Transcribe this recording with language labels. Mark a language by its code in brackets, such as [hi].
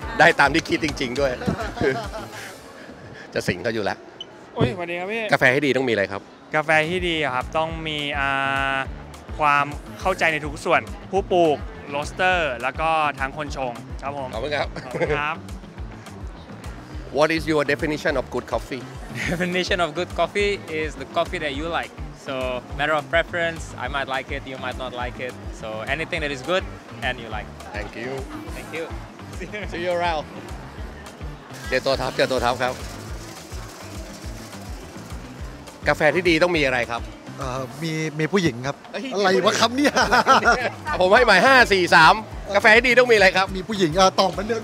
[th] ได้ตามที่คิดจริงๆด้วยจะสิงเขาอยู่แล้วโอ้ยสวัสดีครับพี่ กาแฟให้ดีต้องมีอะไรครับ กาแฟที่ดีครับต้องมีความเข้าใจในทุกส่วนผู้ปลูกโรสเตอร์แล้วก็ทางคนชงครับผม ขอบคุณครับ ครับ [en] What is your definition of good coffee? Definition of good coffee is the coffee that you like. So matter of preference, I might like it, you might not like it. So anything that is good and you like. Thank you. Thank you. See you around. [th] เจอตัวท็อปเจอตัวท็อปครับกาแฟที่ดีต้องมีอะไรครับ มีผู้หญิงครับอะไรวะครับเนี่ย ผมให้หมาย5 4 3กาแฟที่ดีต้องมีอะไรครับ มีผู้หญิงตอบมันเดิม